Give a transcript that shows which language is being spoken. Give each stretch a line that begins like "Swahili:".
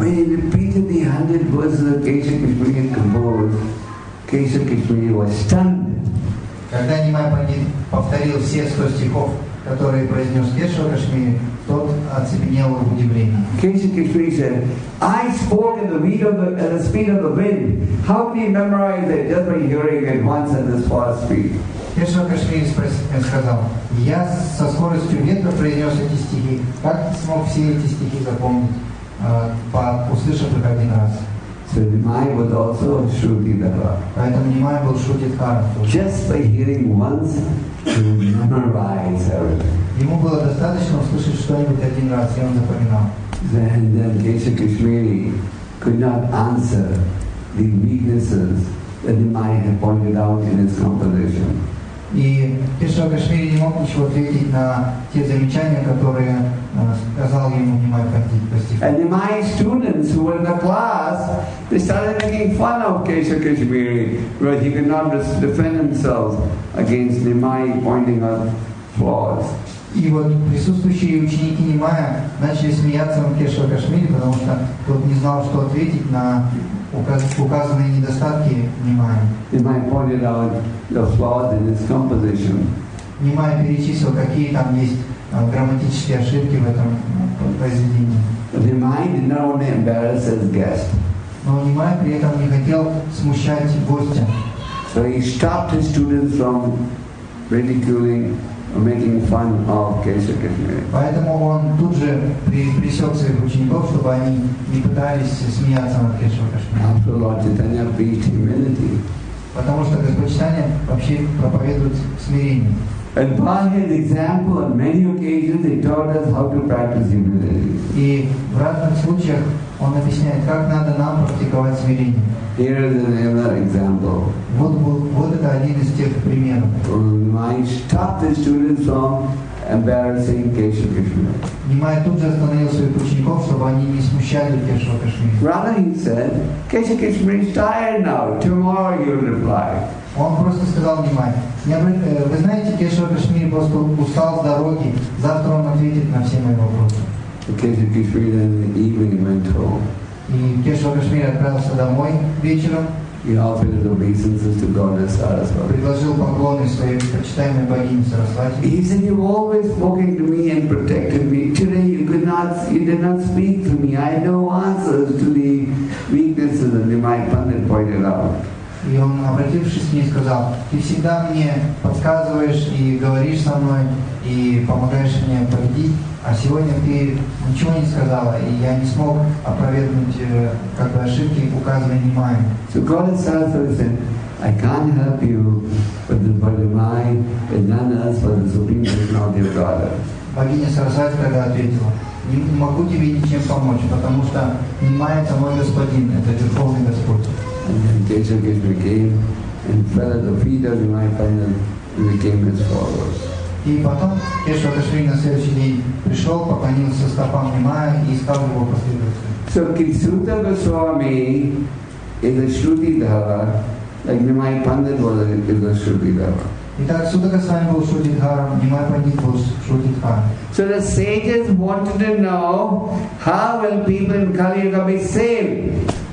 English: When he repeated the 100 verses that Kesha Kishmini had composed, Kesha Kishmini was stunned.
Russian: Когда Немай Пандит повторил все 100 стихов, которые произнес Кешава Кашмири, тот оцепенел от удивления.
English: Кеша Кашмири said, I spoke in the wind of the speed of the wind. How can you memorize it just by hearing it once at this fast speed?
Russian: Кеша Кашмири сказал, я со скоростью ветра произнес эти стихи. Как ты смог все эти стихи запомнить, услышав их один раз?
English: So Немай was also a Shruti Dhara.
Russian: Поэтому Немай был Shruti Dhara.
English: Just by hearing once, to memorize everything.
Russian: Ему было достаточно услышать что-нибудь один раз, и он запоминал.
English: Then Kesha Kishmini could not answer the weaknesses that Немай had pointed out in his composition.
Russian: И Кешава Кашмири не мог ничего ответить на те замечания, которые сказал ему Немай Пандит по стиху.
English: And Немай's students who were in the class, they started making fun of Kesha Kashmiri, because he could not defend himself against Немай pointing out flaws.
Russian: И вот присутствующие ученики Немая начали смеяться над Кешава Кашмири, потому что тот не знал, что ответить на указанные недостатки Немая.
English: Немай pointed out the flaws in his composition.
Russian: Немай перечислил, какие там есть грамматические ошибки в этом произведении.
English: Немай did not want to embarrass his guest.
Russian: Но Немай при этом не хотел смущать гостя.
English: So he stopped his students from ridiculing or making fun of Kesha Kashmiri.
Russian: Поэтому он тут же пресек своих учеников, чтобы они не пытались смеяться над Кешава Кашмири.
English: After Lord Chaitanya preached humility.
Russian: Потому что Господь Чайтанья вообще проповедует смирение.
English: And by his example, on many occasions, he taught us how to practice humility.
Russian: И в разных случаях он объясняет, как надо нам практиковать смирение.
English: Here is another example.
Russian: Вот это один из тех примеров.
English: Немай stopped his students from embarrassing Kesha Kashmiri.
Russian: Немай тут же остановил своих учеников, чтобы они не смущали Кешава Кашмири.
English: Rather, he said, Kesha Kashmiri is tired now. Tomorrow you'll reply.
Russian: Он просто сказал Немай, вы знаете, Кешава Кашмири просто устал с дороги. Завтра он ответит на все мои вопросы.
English: Кешава Кашмири then in the evening went home.
Russian: И Кешава Кашмири отправился домой вечером.
English: He offered his obeisances to Goddess Saraswati.
Russian: Предложил поклоны своей почитаемой богине Сарасвати.
English: He said, you've always spoken to me and protected me. Today you did not speak to me. I know answers to the weaknesses that Немай Пандит pointed out.
Russian: И он, обратившись к ней, сказал, ты всегда мне подсказываешь и говоришь со мной, и помогаешь мне победить, а сегодня ты ничего не сказала, и я не смог опровергнуть как бы ошибки, указанные Немаем.
English: So Goddess Saraswati said, I can't help you, but the Bhagavan is none else but the Supreme Personality of God.
Russian: Богиня Сарасвати тогда ответила, не могу тебе ничем помочь, потому что Немай — это мой Господин, это Верховный Господь.
English: And then Kesha Kishmini came and fell at the feet of Немай Пандит and became his followers.
Russian: И потом Кешава Кашмири на следующий день пришел, поклонился стопам Немая и стал его последователем.
English: So Кришута Госвами is a Shruti Dhara, like Nimai Pandit was a, is a Shruti Dhara.
Russian: Итак, Судака Свами был Шрути Дхарам, Нимай Пандит был Шрути Дхарам.
English: So the sages wanted to know how will people in Kali Yuga be saved.